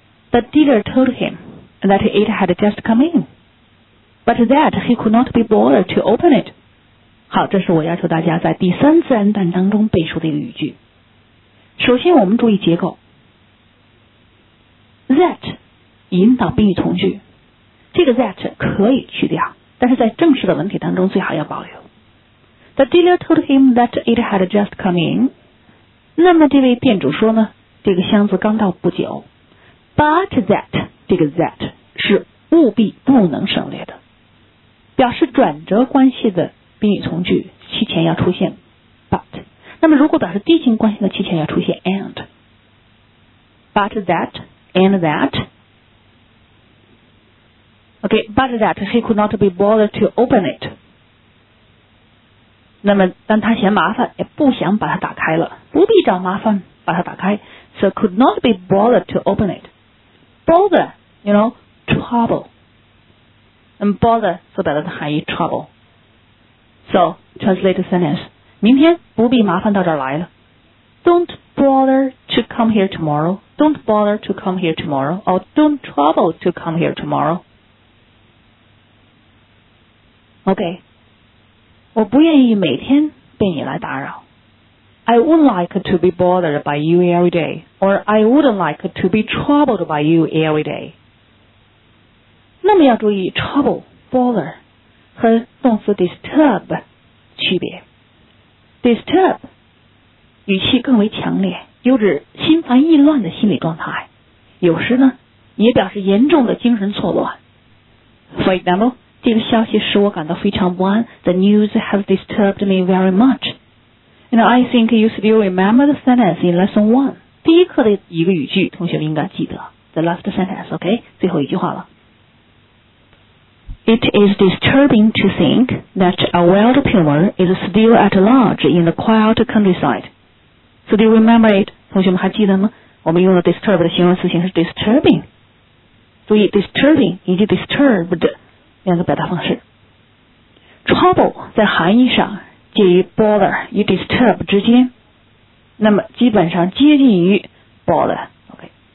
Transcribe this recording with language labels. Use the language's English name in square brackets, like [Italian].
[English] The dealer told him that it had just come in But that he could not be bothered to open it [Chinese] 好，这是我要求大家在第三自然段当中背熟的一个语句首先我们注意结构 That 引导宾语从句这个 that 可以去掉但是在正式的文体当中最好要保留 [English] The dealer told him that it had just come in. [Chinese] 那么这位店主说呢，这个箱子刚到不久。 [English] But that, [Chinese] 这个 that 是务必不能省略的，表示转折关系的宾语从句，其前要出现 but。那么如果表示递进关系的，其前要出现 and。 [English] But that, and that. Okay, but that he could not be bothered to open it. [Chinese] 那么当他嫌麻烦也不想把它打开了，不必找麻烦把它打开。 [English] So could not be bothered to open it. Bother, you know, trouble. And bother, so that the 含义 trouble. So, translate the sentence. [Chinese] 明天不必麻烦到这儿来了。 [English] Don't bother to come here tomorrow. Don't bother to come here tomorrow. Or don't trouble to come here tomorrow. [Chinese] OK, 我不愿意每天被你来打扰。 [English] I wouldn't like to be bothered by you every day, or I wouldn't like to be troubled by you every day. [Chinese] 那么要注意 trouble, bother 和动词 disturb 区别。 Disturb 语气更为强烈，有指心烦意乱的心理状态，有时呢也表示严重的精神错乱。 [English] For example, [Chinese] 这个消息使我感到非常不安。 [English] The news has disturbed me very much. And I think you still remember the sentence in lesson one. [Chinese] 第一课的一个语句，同学们应该记得。 [English] The last sentence, okay? [Chinese] 最后一句话了。 [English] It is disturbing to think that a wild puma is still at large in the quiet countryside. So do you remember it? [Chinese] 同学们还记得吗？我们用的 disturb 的形容词形式是 disturbing. 注意 disturbing 以及 disturbed. 两个表达方式 Trouble 在含义上介于 bother 与 disturb 之间，那么基本上接近于 bother、okay.